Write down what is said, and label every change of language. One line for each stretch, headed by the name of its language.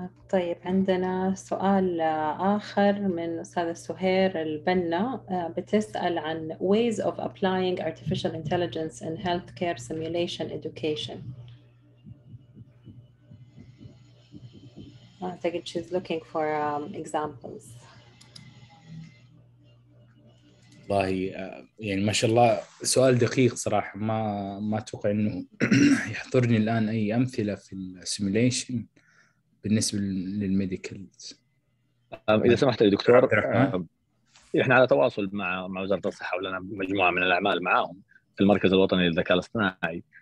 Arabic: طيب عندنا سؤال آخر من أستاذ سهير البنا بتسأل عن
English: ways of applying artificial intelligence in healthcare simulation education. I think she's looking for examples.
Arabic: والله يعني ما شاء الله سؤال دقيق صراحة، ما أتوقع إنه يحضرني الآن أي أمثلة في السيميليشن بالنسبة للميديكال. إذا سمحت يا دكتور، إحنا على تواصل مع وزارة الصحة، ولنا مجموعة من الأعمال معهم في المركز الوطني للذكاء الاصطناعي.